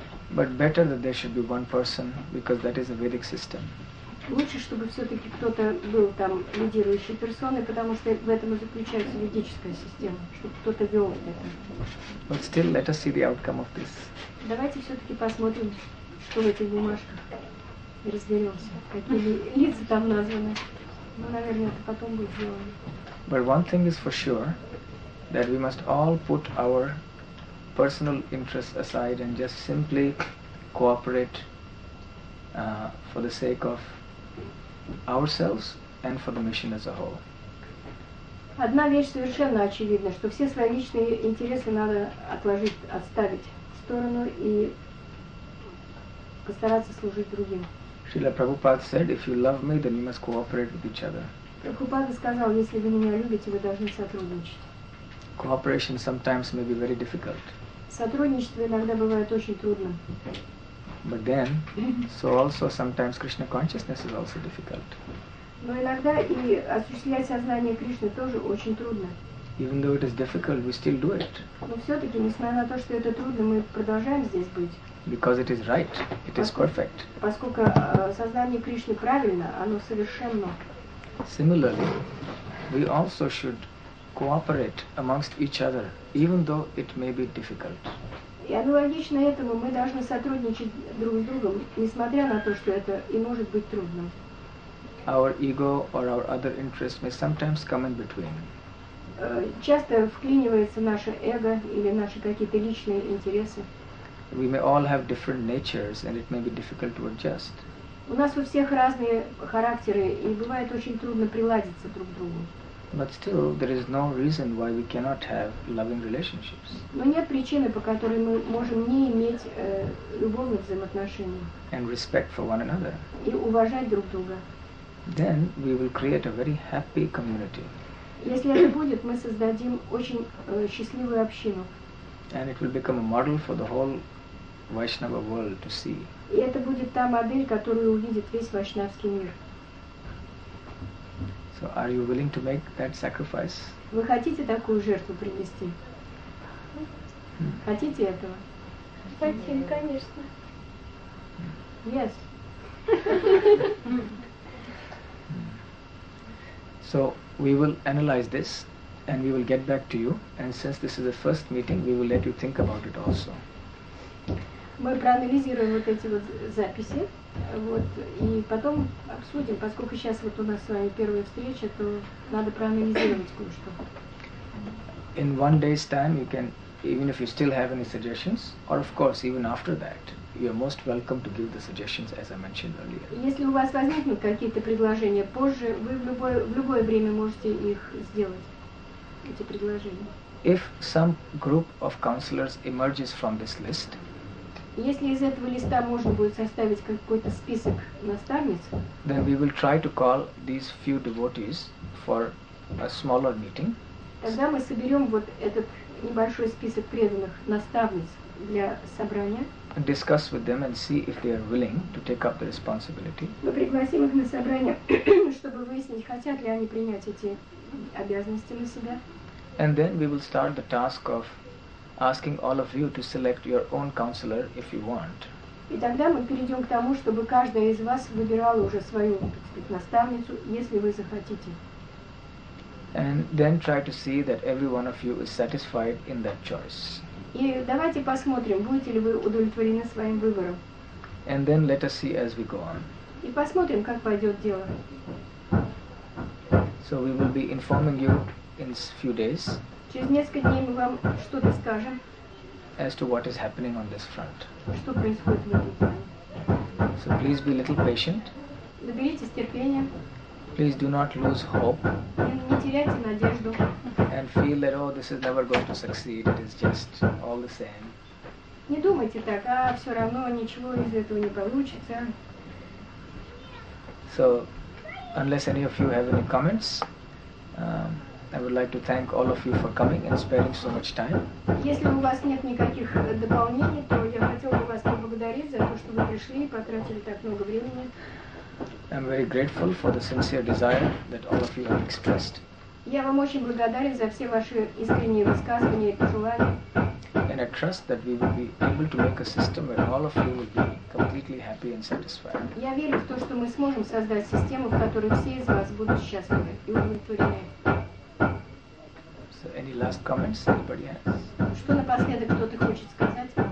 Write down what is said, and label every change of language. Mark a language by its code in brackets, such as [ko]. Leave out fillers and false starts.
[en] But better that there should be one person, because that is a Vedic system. [ru] Лучше, чтобы все-таки кто-то был там лидирующей персоной, потому что в этом и заключается ведическая система, чтобы кто-то вел это. [en] But still, let us see the outcome of this. [ru] Давайте все-таки посмотрим, что в этих бумажках, и разберемся, какие лица там названы. Ну, наверное, это потом будет сделано. [en] But one thing is for sure, that we must all put our personal interests aside and just simply cooperate for the sake of ourselves and for the mission as a whole. [ru] Одна вещь совершенно очевидна, что все свои личные интересы надо отложить, отставить в сторону и постараться служить другим. [en] Srila Prabhupada said, if you love me, then you must cooperate with each other. [ru] Прабхупада сказал, если вы меня любите, вы должны сотрудничать. [en] Cooperation sometimes may be very difficult. [ru] Сотрудничество иногда бывает очень трудным. [en] But then, so also sometimes Krishna consciousness is also difficult. [ru] Но иногда и осуществлять сознание Кришны тоже очень трудно. [en] Even though it is difficult, we still do it. [ru] Но все-таки, несмотря на то, что это трудно, мы продолжаем здесь быть. [en] Because it is right, it is perfect. [ru] Поскольку сознание Кришны правильно, оно совершенно. [en] Similarly, we also should cooperate amongst each other, even though it may be difficult. [ru] И аналогично этому мы должны сотрудничать друг с другом, несмотря на то, что это и может быть трудно. [en] Our ego or our other interests may sometimes come in between. [ru] Часто вклинивается наше эго или наши какие-то личные интересы. [en] We may all have different natures, and it may be difficult to adjust. [ru] У нас у всех разные характеры, и бывает очень трудно приладиться друг к другу. [en] But still, there is no reason why we cannot have loving relationships. [ru] Но нет причины, по которой мы можем не иметь любовных взаимоотношений. [en] And respect for one another. [ru] И уважать друг друга. [en] Then we will create a very happy community. [ru] Если это будет, мы создадим очень счастливую общину. [en] And it will become a model for the whole Vaishnava world to see. [ru] И это будет та модель, которую увидит весь вайшнавский мир. [en] So are you willing to make that sacrifice? [ru] Вы хотите такую жертву принести? Hmm. Хотите этого? Хотим, конечно. [en] Yes. So we will analyze this, and we will get back to you. And since this is the first meeting, we will let you think about it also. [ru] Мы проанализируем вот эти вот записи, вот, и потом обсудим, поскольку сейчас вот у нас с вами первая встреча, то надо проанализировать кое-что. [en] In one day's time, you can, even if you still have any suggestions, or of course, even after that, you are most welcome to give the suggestions, as I mentioned earlier. [ru] Если у вас возникнут какие-то предложения позже, вы в любое время можете их сделать, эти предложения. [en] If some group of counselors emerges from this list, [ru] если из этого листа можно будет составить какой-то список наставниц, [en] then we will try to call these few devotees for a smaller meeting. [ru] Тогда мы соберем вот этот небольшой список преданных наставниц для собрания. [en] And discuss with them and see if they are willing to take up the responsibility. [ru] Мы пригласим их на собрание, чтобы выяснить, хотят ли они принять эти обязанности на себя. [en] And then we will start the task of asking all of you to select your own counselor if you want. [ru] И тогда мы перейдем к тому, чтобы каждая из вас выбирала уже свою, так сказать, наставницу, если вы захотите. [en] And then try to see that every one of you is satisfied in that choice. [ru] И давайте посмотрим, будете ли вы удовлетворены своим выбором. [en] And then let us see as we go on. [ru] И посмотрим, как пойдет дело. [en] So we will be informing you in few days. [ru] Через несколько дней мы вам что-то скажем. [en] As to what is happening on this front. [ru] Что происходит в этом. [en] So please be a little patient. [ru] Наберитесь терпения. [en] Please do not lose hope. [ru] Не теряйте надежду. [en] And feel that, oh, this is never going to succeed. It is just all the same. [ru] Не думайте так, а все равно ничего из этого не получится. [en] So, unless any of you have any comments, I would like to thank all of you for coming and sparing so much time. [ru] Если у вас нет никаких дополнений, то я хотел бы вас поблагодарить за то, что вы пришли и потратили так много времени. [en] I'm very grateful for the sincere desire that all of you have expressed. [ru] Я вам очень благодарен за все ваши искренние высказывания и пожелания. [en] And I trust that we will be able to make a system where all of you will be completely happy and satisfied. [ru] Я верю в то, что мы сможем создать систему, в которой все из вас будут счастливы и удовлетворены. [en] So any last comments anybody has? [ru] Что напоследок кто-то хочет сказать?